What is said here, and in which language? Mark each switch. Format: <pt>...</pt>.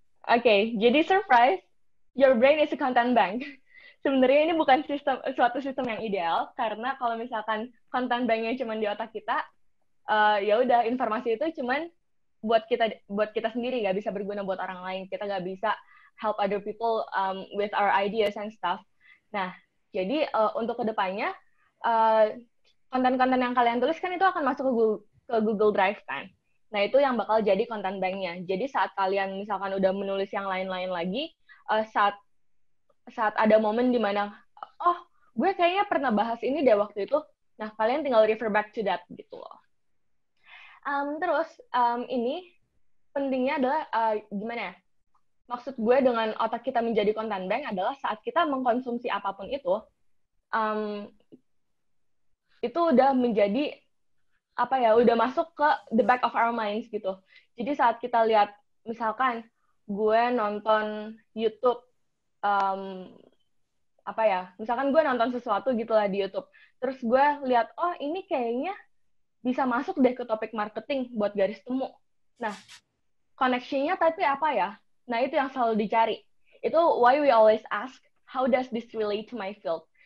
<en>Okay, jadi surprise, your brain is a content bank.</en> <id>Sebenarnya ini bukan sistem suatu sistem yang ideal, karena kalau misalkan content banknya cuma di otak kita, ya udah informasi itu cuma buat kita sendiri, nggak bisa berguna buat orang lain. Kita nggak bisa</id> <en>help other people with our ideas and stuff.</en> <id>Nah, jadi untuk kedepannya, konten-konten yang kalian tulis kan itu akan masuk ke Google Drive kan. Nah, itu yang bakal jadi content banknya. Jadi saat kalian misalkan udah menulis yang lain-lain lagi, saat ada momen di mana, oh, gue kayaknya pernah bahas ini deh waktu itu, nah, kalian tinggal</id> <en>refer back to that,</en> <id>gitu loh. Terus, ini pentingnya adalah, gimana ya? Maksud gue dengan otak kita menjadi content bank adalah saat kita mengkonsumsi apapun itu udah menjadi, apa ya, udah masuk ke</id> <en>the back of our minds,</en> <id>gitu. Jadi saat kita lihat, misalkan gue nonton YouTube, apa ya, misalkan gue nonton sesuatu gitulah di YouTube, terus gue lihat oh ini kayaknya bisa masuk deh ke topik marketing buat Garis Temu. Nah, koneksinya tapi apa ya? Nah, itu yang selalu dicari. Itu</id> <en>why we always ask, how does this relate to my field?</en>